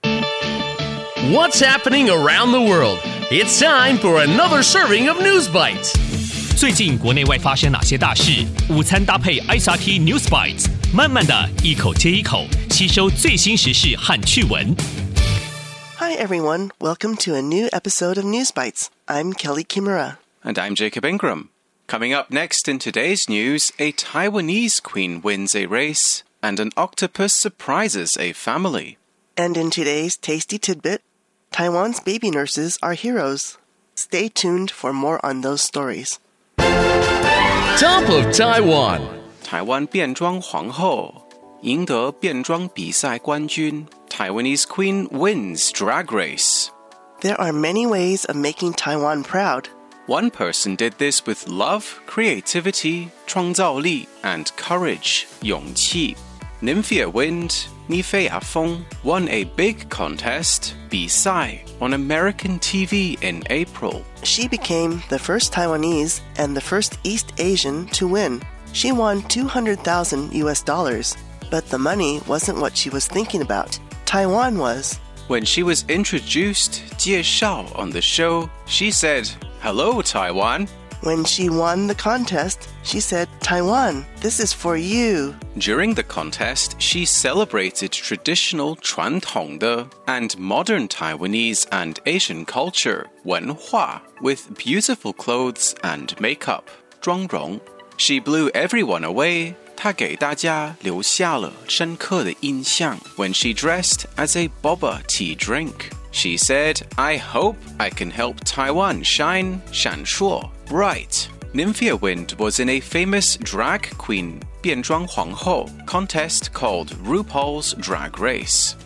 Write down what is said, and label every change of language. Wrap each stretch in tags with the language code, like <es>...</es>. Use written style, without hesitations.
<en>What's happening around the world? It's time for another serving of News Bites.</en> <zh>最近国内外发生哪些大事？午餐搭配 SRT News Bites， 慢慢的一口接一口，吸收最新时事和趣闻。</zh> <en>Hi everyone, welcome to a new episode of News Bites. I'm Kelly Kimura. And I'm Jacob Ingram. Coming up next in today's news, a Taiwanese queen wins a race, and an octopus surprises a family. And in today's tasty tidbit, Taiwan's baby nurses are heroes. Stay tuned for more on those stories. Top of Taiwan!</en> <zh>台湾变装皇后赢得变装比赛冠军。</zh> <en>Taiwanese queen wins drag race. There are many ways of making Taiwan proud. One person did this with love, creativity, 创造力 and courage, 勇气。 Nymphia Wind, 妮菲亚风 won a big contest, 比赛 on American TV in April. She became the first Taiwanese and the first East Asian to win. She won $200,000, but the money wasn't what she was thinking about. Taiwan was. When she was introduced, 介绍 on the show, she said, Hello, Taiwan. When she won the contest, she said, Taiwan, this is for you. During the contest, she celebrated traditional 传统的 and modern Taiwanese and Asian culture, 文化 with beautiful clothes and makeup, 妆容. She blew everyone away.</en> <zh>她给大家留下了深刻的印象。</zh> <en>When she dressed as a boba tea drink, she said, I hope I can help Taiwan shine, 闪烁 bright. Nymphia Wind was in a famous drag queen, 变装皇后 contest called RuPaul's Drag Race.</en>